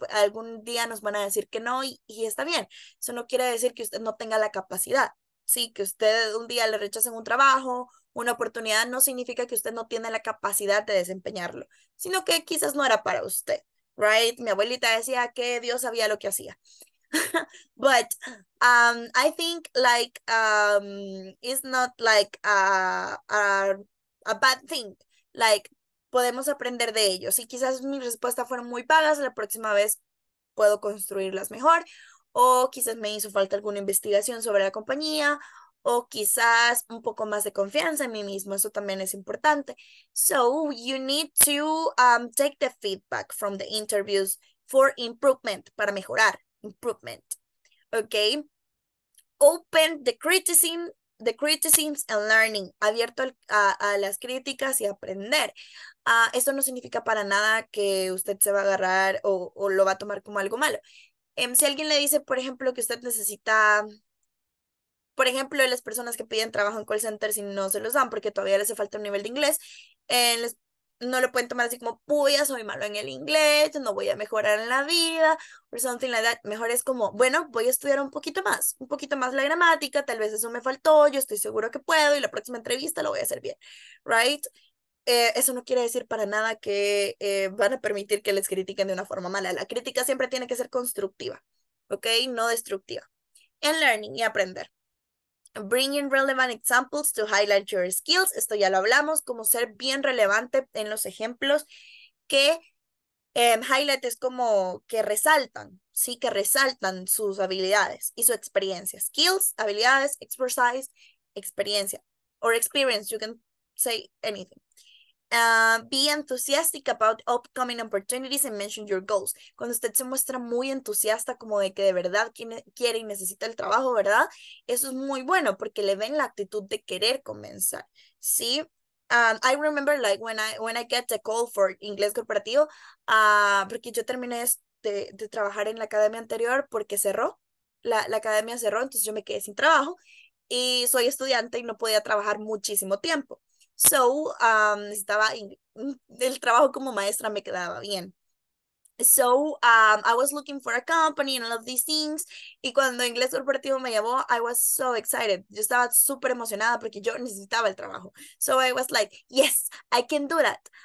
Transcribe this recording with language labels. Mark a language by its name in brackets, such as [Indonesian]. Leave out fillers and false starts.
[Spanish] Algún día nos van a decir que no y está bien. Eso no quiere decir que usted no tenga la capacidad, sí, que usted un día le rechacen un trabajo, una oportunidad, no significa que usted no tiene la capacidad de desempeñarlo, sino que quizás no era para usted. Right, mi abuelita decía que Dios sabía lo que hacía. [English] But I think like it's not like a bad thing. [Spanish] Like podemos aprender de ello. Si quizás mis respuestas fueron muy vagas, la próxima vez puedo construirlas mejor. O quizás me hizo falta alguna investigación sobre la compañía. O quizás un poco más de confianza en mí mismo, eso también es importante. [English] So, you need to take the feedback from the interviews for improvement, [Spanish] para mejorar, [English] improvement, okay? Open the criticisms and learning, [Spanish] abierto a las críticas y aprender. Esto no significa para nada que usted se va a agarrar o lo va a tomar como algo malo. Si alguien le dice, por ejemplo, que usted necesita... Por ejemplo, las personas que piden trabajo en call centers y no se los dan porque todavía les hace falta un nivel de inglés, no lo pueden tomar así como, puya, soy malo en el inglés, no voy a mejorar en la vida, [English] or something like that. [Spanish] Mejor es como, bueno, voy a estudiar un poquito más la gramática, tal vez eso me faltó, yo estoy seguro que puedo y la próxima entrevista lo voy a hacer bien, right? Eso no quiere decir para nada que van a permitir que les critiquen de una forma mala. La crítica siempre tiene que ser constructiva, ¿ok? No destructiva. En learning y aprender. [English] Bring in relevant examples to highlight your skills. [Spanish] Esto ya lo hablamos, como ser bien relevante en los ejemplos que highlight es como que resaltan, sí, que resaltan sus habilidades y su experiencia. [English] Skills, habilidades, exercise, experiencia. Or experience, you can say anything. Be enthusiastic about upcoming opportunities and mention your goals. [Spanish] Cuando usted se muestra muy entusiasta, como de que de verdad quiere y necesita el trabajo, ¿verdad? Eso es muy bueno porque le ven la actitud de querer comenzar, ¿sí? [English] I remember like when I get the call for [Spanish] inglés corporativo, porque yo terminé de trabajar en la academia anterior porque cerró, la academia cerró, entonces yo me quedé sin trabajo y soy estudiante y no podía trabajar muchísimo tiempo. So, necesitaba el trabajo como maestra me quedaba bien. [English] So, I was looking for a company and all of these things. [Spanish] Y cuando Inglés Corporativo me llamó, [English] I was so excited. [Spanish] Yo estaba súper emocionada porque yo necesitaba el trabajo. [English] So, I was like, yes, I can do that.